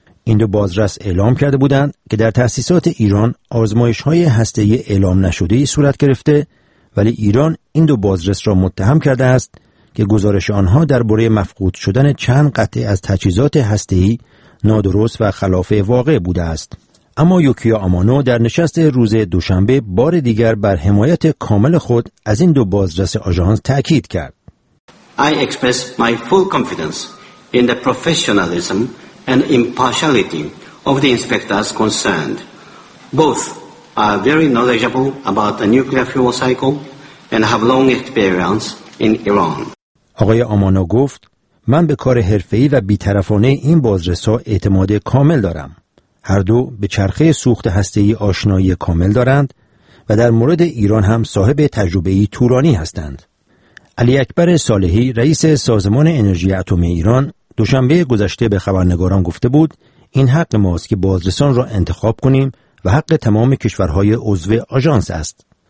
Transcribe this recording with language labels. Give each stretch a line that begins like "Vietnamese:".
Persian: این دو بازرس اعلام کرده بودند که در تأسیسات ایران آزمایش‌های هسته‌ای اعلام نشده‌ای صورت گرفته، ولی ایران این دو بازرس را متهم کرده است که گزارش آنها درباره مفقود شدن چند قطعه از تجهیزات هسته‌ای نادرست و خلاف واقع بوده است. اما یوکیو آمانو در نشست روز دوشنبه بار دیگر بر حمایت کامل خود از این دو بازرس آژانس تأکید کرد.
English: I express my full confidence in the professionalism and impartiality of the inspectors concerned. Both are very knowledgeable about the nuclear fuel cycle and have long experience in Iran.
Persian: آقای آمانو گفت من به کار حرفه‌ای و بی‌طرفانه این بازرس‌ها اعتماد کامل دارم. هر دو به چرخه سوخت هسته‌ای آشنایی کامل دارند و در مورد ایران هم صاحب تجربه‌ای تورانی هستند. علی اکبر صالحی رئیس سازمان انرژی اتمی ایران دوشنبه گذشته به خبرنگاران گفته بود این حق ماست که بازرسان را انتخاب کنیم و حق تمام کشورهای عضو آژانس است.